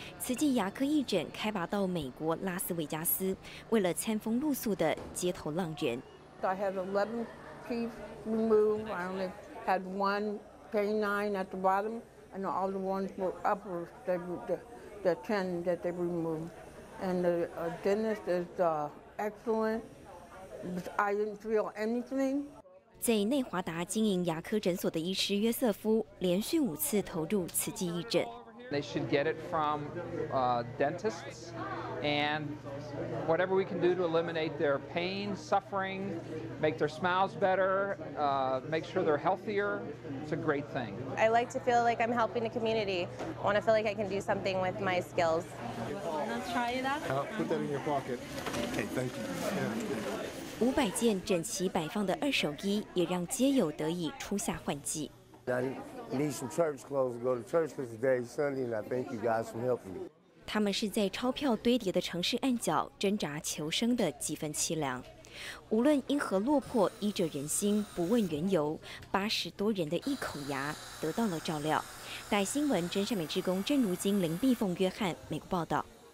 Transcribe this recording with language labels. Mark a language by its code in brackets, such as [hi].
[zh] 慈济牙科义诊开拔到美国拉斯维加斯，为了餐风露宿的街头浪人。 [en] I had 11 teeth removed. I only had one canine at the bottom, and all the ones were upper. The 10 that they removed. And the dentist is excellent. I didn't feel anything. [zh] 在内华达经营牙科诊所的医师约瑟夫连续五次投入慈济义诊。 [en] They should get it from dentists. And whatever we can do to eliminate their pain, suffering, make their smiles better, make sure they're healthier, it's a great thing. I like to feel like I'm helping the community. I want to feel like I can do something with my skills. Let's try that. Put that in your pocket. Okay, thank you. [zh] 500件整齐摆放的二手衣也让街友得以出夏换季。 [en] Need some church clothes to go to church because today's Sunday, and I thank you guys for helping me. [zh] 他们是在钞票堆叠的城市暗角挣扎求生的几分凄凉。无论因何落魄，医者仁心，不问缘由。 80多人的一口牙得到了照料。带新闻真善美志工郑如金、林碧凤、约翰，美国报道。